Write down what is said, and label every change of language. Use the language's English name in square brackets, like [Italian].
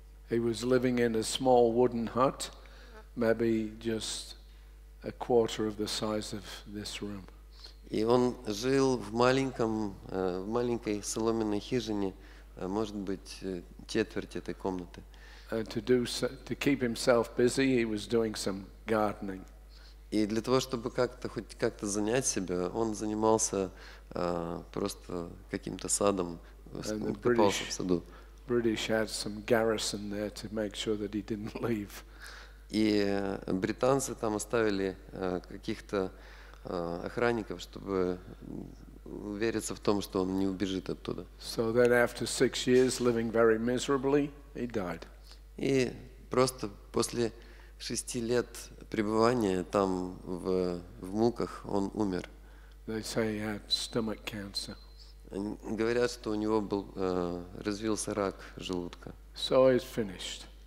[English] He was living in a small wooden hut, maybe just a quarter of the size of this room. [Russian] И он жил в маленьком, в маленькой соломенной хижине, может быть, четверть этой комнаты. [English] To keep himself busy, he was doing some gardening. [Russian] И для того, чтобы как-то хоть как-то занять себя, он занимался просто каким-то садом, копался в саду. [English] British had some garrison there to make sure that he didn't leave. [Russian] И британцы там оставили каких-то охранников, чтобы увериться в том, что он не убежит оттуда. [English] So then after 6 years living very miserably, he died. [Russian] И просто после 6 лет пребывания там в муках он умер. [English] They say he had stomach cancer. [Russian] Говорят, что у него был развился рак желудка. [English] So it's finished.